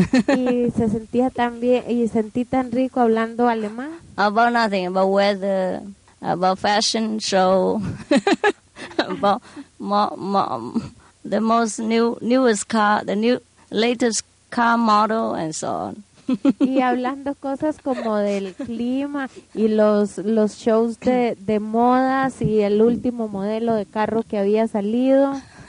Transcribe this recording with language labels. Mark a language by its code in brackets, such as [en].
[es] Y se sentía tan bien, y sentí tan rico hablando alemán. [en] About nothing, about weather, about fashion show, about the latest car model, and so on. [es] Y hablando cosas como del clima y los shows de modas y el último modelo de carro que había salido.